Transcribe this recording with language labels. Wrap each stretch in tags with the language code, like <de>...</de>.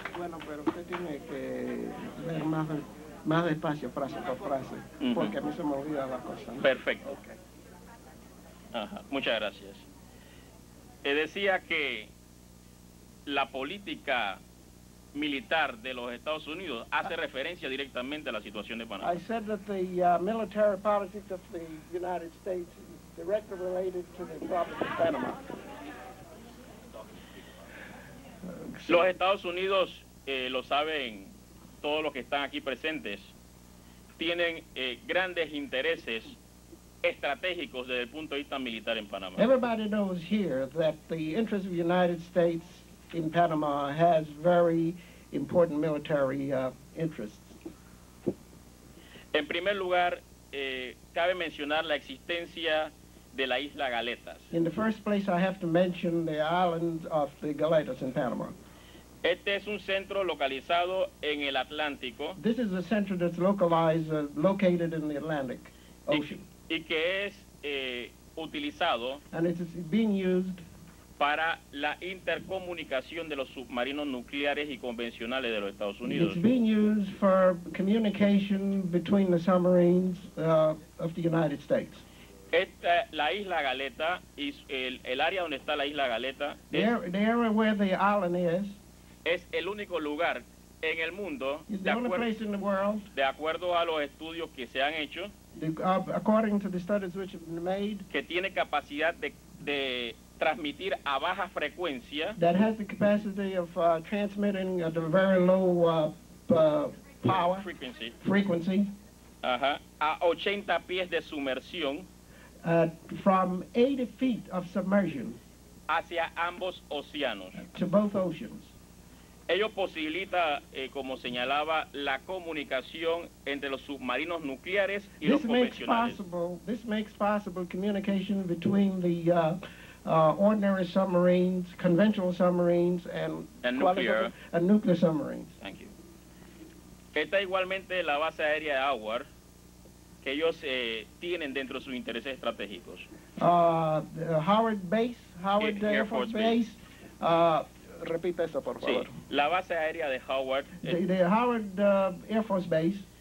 <es>Bueno, pero usted tiene que ver más despacio, frase por frase, porque a mí se me olvida la cosa, ¿no? Perfecto. Okay. Ajá. Muchas gracias. Decía que la política militar de los Estados Unidos hace referencia directamente a la situación de Panamá.</es> <en>I said that the military politics of the United States is directly related to the problem of Panama.</en> <es>Los Estados Unidos, lo saben todos los que están aquí presentes, tienen grandes intereses estratégicos desde el punto de vista militar en Panamá.</es> <en>Everybody knows here that the interest of the United States in Panama has very important military interests.</en> <es>En primer lugar, cabe mencionar la existencia de la isla Galetas.</es> <en>In the first place, I have to mention the island of the Galetas in Panama.</en> <es>Este es un centro localizado en el Atlántico.</es> <en>This is a center that's located in the Atlantic Ocean.</en> <es>Y que es utilizado.</es> <en>And it is being used</en> <es>para la intercomunicación de los submarinos nucleares y convencionales de los Estados Unidos.</es> <en>It's being used for communication between the submarines of the United States.</en> <es>Esta, la isla Galeta, y el área donde está la isla Galeta,</es> <en>the area where the island is,</en> <es>es el único lugar en el mundo, de acuerdo a los estudios que se han hecho,</es> <en>according to the studies which have been made,</en> <es>que tiene capacidad de transmitir a baja frecuencia,</es> <en>that has the capacity of transmitting at a very low power, frequency.</en> <es>A 80 pies de sumersión,</es> <en>from 80 feet of submersion,</en> <es>hacia ambos océanos,</es> <en>to both oceans.</en> <es>Ello posibilita, como señalaba, la comunicación entre los submarinos nucleares y</es> <en>this</en> <es>los convencionales.</es> <en>This makes possible communication between the ordinary submarines, conventional submarines, and nuclear submarines. Thank you.</en> <es>Está igualmente la base aérea de AWAR, que ellos tienen dentro de sus intereses estratégicos.</es> <en>Howard Air Force Base.</en> <es>Repite eso, por favor. Sí, la base aérea de Howard.</es> <en>The Howard Air Force Base.</en>